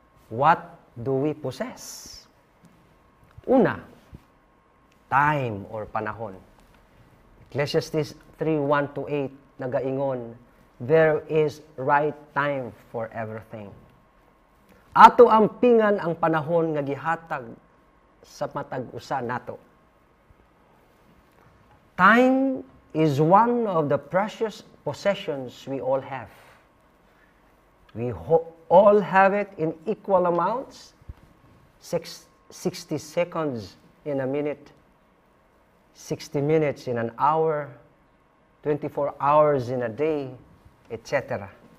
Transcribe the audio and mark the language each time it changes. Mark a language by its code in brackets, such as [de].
[en] What do we possess? Una, time or panahon. Ecclesiastes 3:1-8 nagaingon, there is right time for everything. [ceb] Ato ampingan ang panahon nga gihatag sa matag-usa nato. [en] Time is one of the precious possessions we all have. We all have it in equal amounts, 60 seconds in a minute, 60 minutes in an hour, 24 hours in a day, etc.